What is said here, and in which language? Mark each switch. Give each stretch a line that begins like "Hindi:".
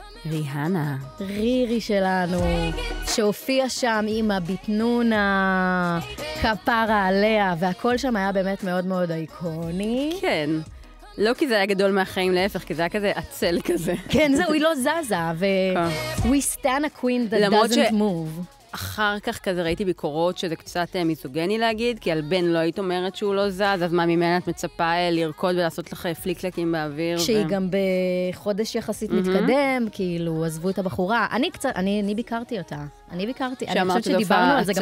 Hebrew: ריהנה. רירי שלנו. שהופיע שם עם הביטנונה, כפרה עליה, והכל שם היה באמת מאוד מאוד איקוני. כן. לא כי זה היה גדול מהחיים, להפך, כי זה היה כזה עצל כזה. כן, זהו, היא לא זזה.
English: We stand a queen that doesn't move.
Hebrew: אחר כך כזה ראיתי ביקורות שזה קצת מיזוגני להגיד, כי על בן לא היית אומרת שהוא לא זז, אז מה ממנה את מצפה לרקוד ולעשות לך פליק-פלקים באוויר? שהיא גם בחודש יחסית מתקדם, כאילו, עזבו את הבחורה. אני ביקרתי אותה. אני ביקרתי. אני חושבת שדיברנו על זה גם...